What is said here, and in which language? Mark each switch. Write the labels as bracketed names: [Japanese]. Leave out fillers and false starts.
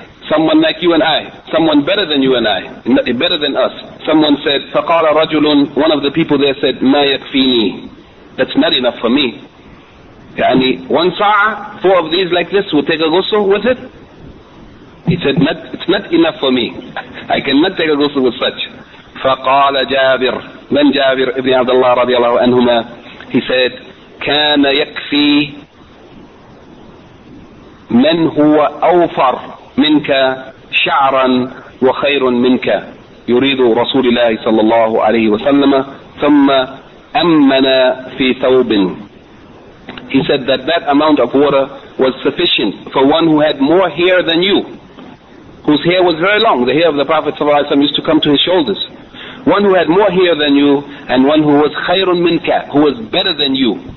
[English] Someone like you and I, someone better than you and I, better than us, someone said, [Arabic] فَقَالَ رَجُلٌ, [English] one of the people there said, [Arabic] مَا يَكْفِينِي, [English] that's not enough for me. [Arabic] يعني, [English] one sa'a, four of these like this, will take a ghusl with it? He said, it's not enough for me. I cannot take a ghusl with such. [Arabic] فَقَالَ جَابِرٌ, [English] then Jabir ibn Abdullah radiallahu anhuma, He said, [Arabic] كان يكفي من هو أوفر منك شعرا وخير منك. يريد رسول الله صلى الله عليه وسلم. ثم أمنا في ثوب. [English] He said that that amount of water was sufficient for one who had more hair than you, whose hair was very long. The hair of the Prophet [Arabic] صلى الله عليه وسلم [English] used to come to his shoulders. One who had more hair than you, and one who was khayrun minka, who was better than you.